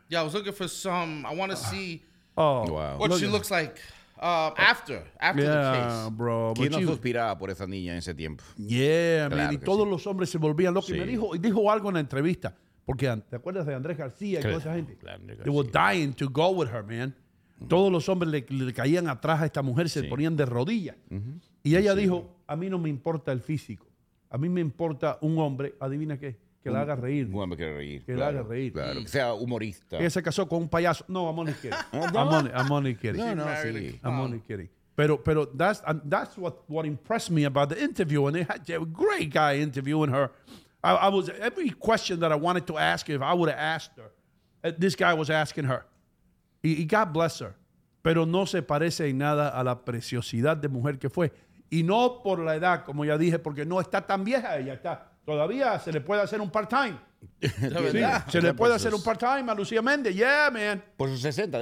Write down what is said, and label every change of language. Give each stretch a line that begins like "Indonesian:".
English: Yeah, I was looking for some. I want to see what she looks like after yeah, the case. Yeah, bro.
Spanish: ¿Quién no suspiraba por esa niña en ese tiempo? Yeah, claro, man. Y todos los hombres se volvían locos. Sí. Y me dijo algo en la entrevista. Porque, ¿te acuerdas de Andrés García y toda esa gente? Claro,
English: they were dying to go with her, man. Mm-hmm.
Spanish: Todos los hombres le caían atrás a esta mujer, se ponían de rodillas. Mm-hmm. Y ella dijo, a mí no me importa el físico. A mí me importa un hombre, adivina qué. Que la haga reír. Un hombre quiere reír. Que la haga reír. Claro, que sea humorista. Ella se casó con un payaso. No,
English: I'm only kidding. I'm only kidding.
Spanish: No, sí.
English: I'm only kidding. Pero that's what impressed me about the interview. And they had a great guy interviewing her. I was, every question that I wanted to ask her, if I would have asked her, this guy was asking her.
Spanish: Y
English: God bless her.
Spanish: Pero no se parece en nada a la preciosidad de mujer que fue. y no por la edad, como ya dije, porque no está tan vieja ella, está todavía se le puede hacer un part-time. Sí, se le puede hacer un part-time a Lucía Méndez.
English: Yeah, man.
Spanish: Por sus 60.